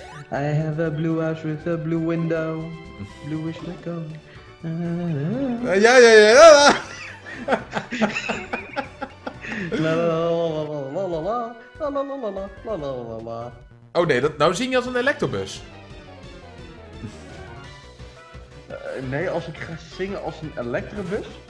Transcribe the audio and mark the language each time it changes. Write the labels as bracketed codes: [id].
[en] I have a blue house with a blue window. Bluish like a... La la la la la la la la la la la la la la. [nl] Oh nee, dat, nou zing je als een electrobus. Nee, als ik ga zingen als een electrobus...